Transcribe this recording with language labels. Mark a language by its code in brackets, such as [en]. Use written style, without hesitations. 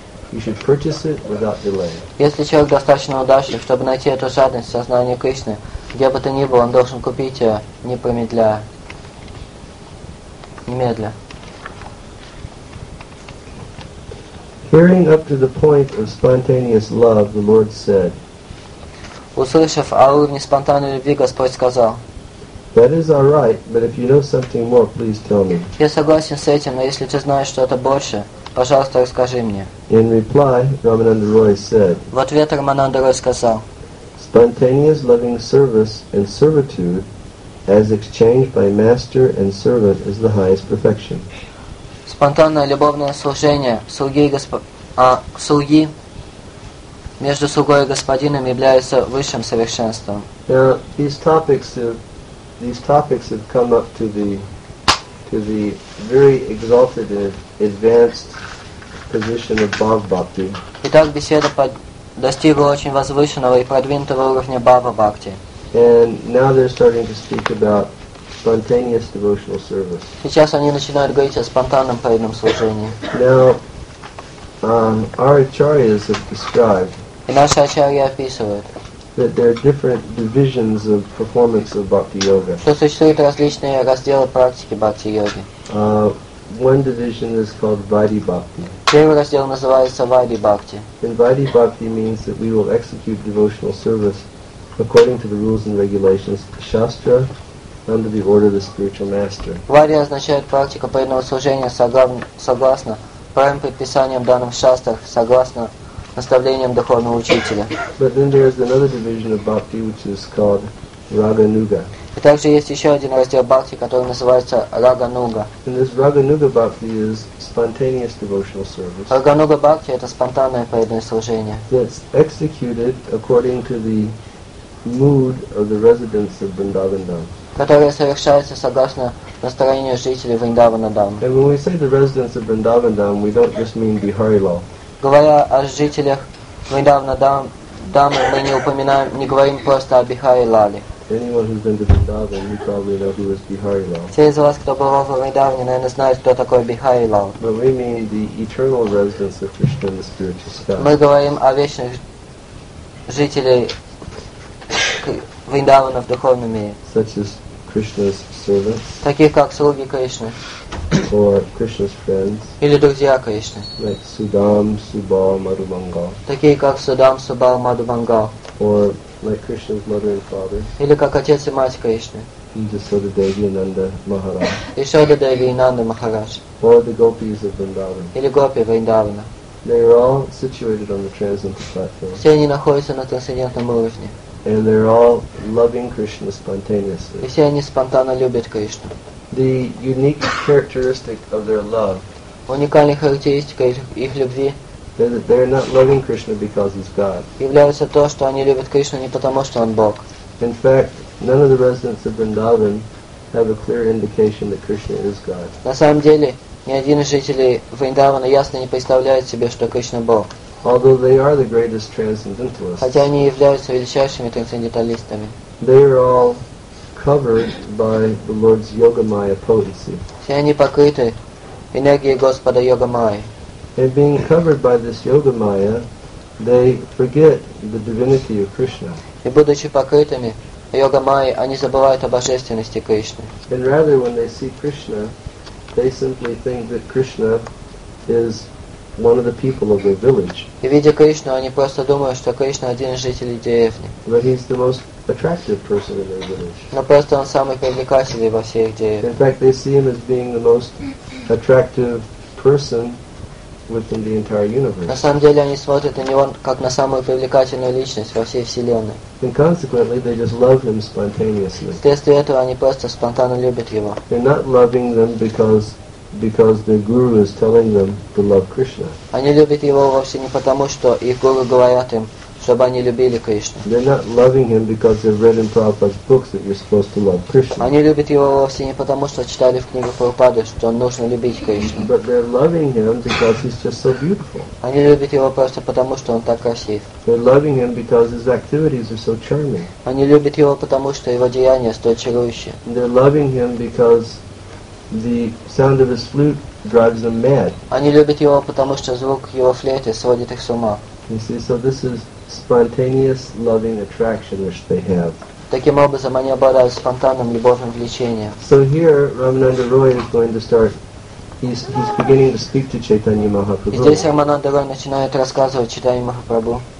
[en] you should purchase it without delay. [ru] Если человек достаточно удачлив, чтобы найти эту жадность сознания Кришны, где бы то ни было, он должен купить ее не промедляя, немедля. [en] Hearing up to the point of spontaneous love, the Lord said. [ru] Услышав о уровне спонтанной любви, Господь сказал. [en] That is all right, but if you know something more, please tell me. [ru] Я согласен с этим, но если ты знаешь что-то больше, пожалуйста, расскажи мне. [en] In reply, Ramananda Roy said. [ru] В ответ Рамананда Рой сказал. [en] Spontaneous loving service and servitude, as exchanged by master and servant, is the highest perfection. [ru] Спонтанное любовное служение слуги и слуги между слугой и господином является высшим совершенством. [en] Now, these topics have come up to the very exalted and advanced position of Bhava Bhakti. [ru] Итак, беседа достигла очень возвышенного и продвинутого уровня Бхава Бхакти. [en] And now they're starting to speak about spontaneous devotional service. [ru] Сейчас они начинают говорить о спонтанном преданном служении. [en] Now, our acharyas have described. [ru] И наши ачарьи описывают. [en] That there are different divisions of performance of bhakti yoga. [ru] Что существуют различные разделы практики бхакти йоги. [en] One division is called Vaidhi Bhakti. [ru] Первый раздел называется Vaidhi Bhakti. [en] And Vaidhi Bhakti means that we will execute devotional service according to the rules and regulations of the Shastra under the order of the spiritual master. [ru] Vaidhi означает практика преданного служения согласно правым предписаниям данным в шастрах, согласно наставлениям духовного учителя. [en] But then there is another division of bhakti which is called Raga Nuga. [ru] И также есть еще один раздел бхакти, который называется Рага-нуга. [en] And this Рага-нуга бхакти is spontaneous devotional service. [ru] Рага-нуга бхакти – это спонтанное преданное служение. [en] It's executed according to the mood of the residents of Vrindavan-dham. [ru] Которое совершается согласно настроению жителей Вриндавана-дхам. [en] And when we say the residents of Vrindavan-dham, we don't just mean Bihari-lal. [ru] Говоря о жителях Вриндавана-дхам, мы не упоминаем, не говорим просто о Бихари-лале. [en] Anyone who's been to Vrindavan, you probably know who is Bihari Lal. [ru] Все из вас, кто бывал в Вриндаване, наверное, знают, кто такой Бихари Лал. [en] But we mean the eternal residents of Krishna in the spiritual sky. [ru] Мы говорим о вечных жителей Вриндавана в духовном мире. [en] Such as Krishna's servants. [ru] Таких как слуги Кришны. [en] Or Krishna's friends. [ru] Или друзья Кришны. [en] Like Sudam, Subal, Madhubangal. [ru] Таких как Sudam, Subal, Madhubangal. [en] Or like Krishna's mother and father. [ru] Или как отец и мать Кришны. [en] Yashoda Devi and Nanda Maharaj. [ru] Yashoda Devi and Nanda Maharaj. [en] Or the gopis of Vrindavan. [ru] Или гопи Вриндавана. [en] They are all situated on the transcendental platform. [ru] Все они находятся на трансцендентном уровне. [en] And they're all loving Krishna spontaneously. [ru] И все они спонтанно любят Кришну. [en] The unique characteristic of their love. [ru] Уникальная характеристика их любви. [en] They're not loving Krishna because he's God. [ru] Является то, что они любят Кришну не потому, что он Бог. [en] In fact, none of the residents of Vrindavan have a clear indication that Krishna is God. [ru] На самом деле, ни один из жителей Вриндавана ясно не представляет себе, что Кришна Бог. [en] Although they are the greatest transcendentalists. [ru] Хотя они являются величайшими трансценденталистами. [en] They are all covered by the Lord's Yogamaya potency. [ru] Все они покрыты энергией Господа Йогамаи. [en] And being covered by this Yogamaya, they forget the divinity of Krishna. [ru] И будучи покрытыми Йогамаи, они забывают о божественности Кришны. [en] And rather, when they see Krishna, they simply think that Krishna is one of the people of their village. [ru] И видя Кришну, они просто думают, что Кришна один из жителей деревни. [en] But he's the most attractive person in their village. [ru] Но просто он самый привлекательный во всей их деревне. [en] In fact, they see him as being the most attractive person within the entire universe. [ru] На самом деле они смотрят на него как на самую привлекательную личность во всей вселенной. [en] And consequently, they just love him spontaneously. [ru] Вследствие этого они просто спонтанно любят его. [en] They're not loving them because their guru is telling them to love Krishna. [ru] Они любят его вовсе не потому, что их гуру говорят им, чтобы они любили Кришну. [en] They're not loving him because they've read in Prabhupada's books that you're supposed to love Krishna. [ru] Они любят его вовсе не потому, что читали в книгах Прабхупады, что нужно любить Кришну. [en] But they're loving him because he's just so beautiful. [ru] Они любят его просто потому, что он так красив. [en] They're loving him because his activities are so charming. [ru] Они любят его потому, что его деяния столь чарующие. [en] They're loving him because the sound of his flute drives them mad. [ru] Они любят его потому, что звук его флейты сводит их с ума. [en] You see, so this is spontaneous loving attraction which they have. [ru] Таким образом, они обладают спонтанным любовным влечением. [en] So here, Рамананда Рой is going to start. He's beginning to speak to Chaitanya Mahaprabhu. [ru] Здесь Рамананда Рой начинает рассказывать Чайтанья Махапрабху.